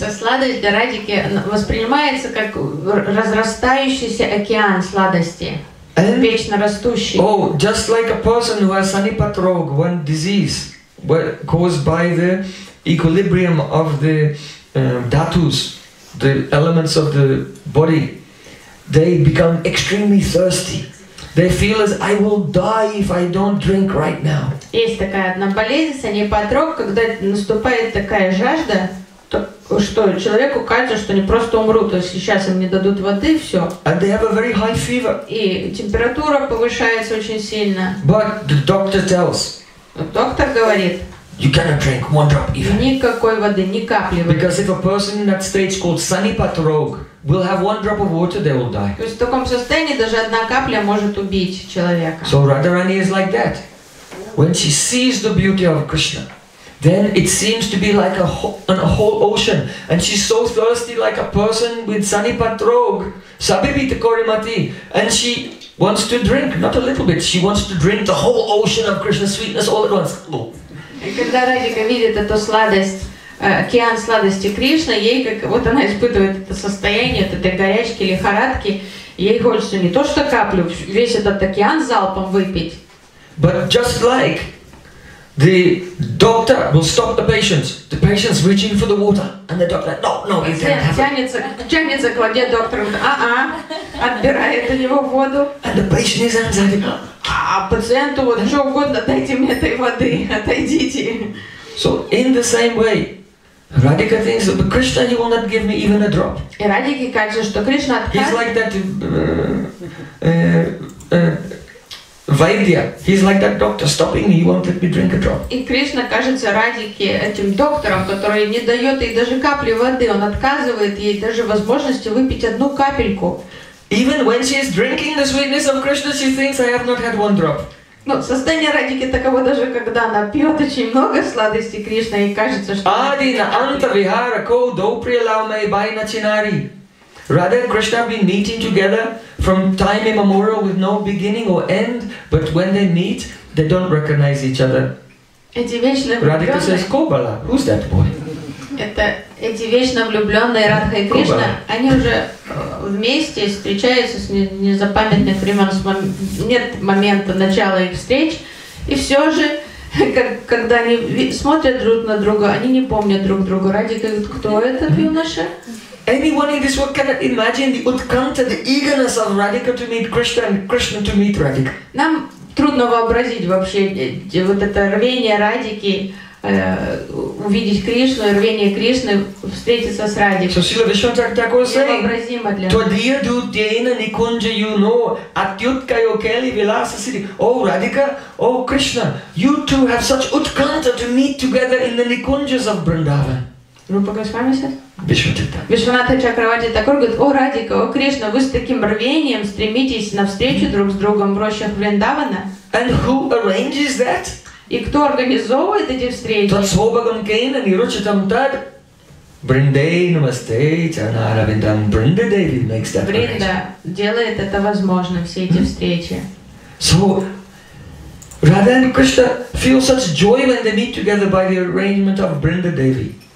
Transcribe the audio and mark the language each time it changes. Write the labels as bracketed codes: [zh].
[ru] Сладость для Радхики воспринимается как разрастающийся океан сладости. [en] And, [ru] вечно растущий. [en] Oh, just like a person who has Sanipat Rog, one disease caused by the equilibrium of the dhatus. the elements of the body, they become extremely thirsty. They feel as I will die if I don't drink right now. [ru] Есть такая одна болезнь, санепатрок, когда наступает такая жажда, что человеку кажется, что они просто умрут, то есть сейчас им не дадут воды, все. [en] And they have a very high fever. [ru] И температура повышается очень сильно. [en] But the doctor tells. [ru] Доктор говорит. [en] You cannot drink one drop even. [ru] Никакой воды, ни капли воды. [en] Because if a person in that state called санепатрок will have one drop of water, they will die. [ru] То есть в таком состоянии даже одна капля может убить человека. [en] So Radharani is like that. When she sees the beauty of Krishna, then it seems to be like a whole ocean, and she's so thirsty, like a person with санепатрок, [sa] sabibita korimati, [en] and she wants to drink not a little bit. She wants to drink the whole ocean of Krishna's sweetness all at once. Oh. [ru] И когда Радика видит эту сладость, океан сладости Кришны, ей как вот она испытывает это состояние, вот этой горячки, лихорадки, ей хочется не то что каплю, весь этот океан залпом выпить. [en] But just like the doctor will stop the patient. The patient's reaching for the water, and the doctor, no, he can't have it. [ru] Тянется к воде, доктор, отбирает у него воду. [en] And the patient is anxiety. [ru] Пациенту вот что угодно, дайте мне этой воды, отойдите. [en] So in the same way, Radhika thinks that Krishna, he will not give me even a drop. [ru] И Радике кажется, что Кришна отказ. [en] He's like that. Vaidya, he's like that doctor stopping me, he won't let me drink a drop. [ru] И Кришна кажется Радике этим доктором, который не дает ей даже капли воды, он отказывает ей даже возможности выпить одну капельку. [en] Even when she is drinking the sweetness of Krishna, she thinks I have not had one drop. [ru] Ну, состояние Радики таково даже, когда она пьет очень много сладости Кришны, и кажется, что... [sa] Адина анта вихара ко доприлаумай бай начинари. [en] Radha and Krishna have been meeting together from time immemorial with no beginning or end, but when they meet, they don't recognize each other. [ru] Эти вечно влюбленные... [en] Radha says, Kobala, who's that boy? [ru] Это эти вечно влюбленные Радха и Кришна, они уже вместе встречаются с незапамятных времен, нет момента начала их встреч, и все же, когда они смотрят друг на друга, они не помнят друг друга. Радха говорит, кто этот юноша? [en] Anyone in this world cannot imagine the utkanta, the eagerness of Radhika to meet Krishna and Krishna to meet Radhika. [ru] Нам трудно вообразить вообще вот это рвение Радхики увидеть Кришну, рвение Кришны встретиться с Радхикой. [en] So Srila Vishwantak Thakur is saying, [ru] невообразимо для нас. [sa] Твадия дутьяйна никунджа юно атюткайо кели виласа сири. [ru] О, Радхика, о, Кришна, [en] you two have such utkanta to meet together in the [ru] никунджас [en] of Vrindavan. [ru] Рупа Госвами сейчас? Вишванатха. Вишванатха Чакравати Такур говорит, о, Радика, о, Кришна, вы с таким рвением стремитесь навстречу друг с другом в рощах Вриндавана. [en] And who arranges that? [ru] И кто организовывает эти встречи? [sa] Тот свобагам кейна ниручитам тад. Бриндей намасте чанара виндам бринда дэви [en] makes that arrangement. [ru] Бринда делает это возможно, все эти встречи. [en] So, Radha and Krishna feel such joy when they meet together by the arrangement of Brinda Devi.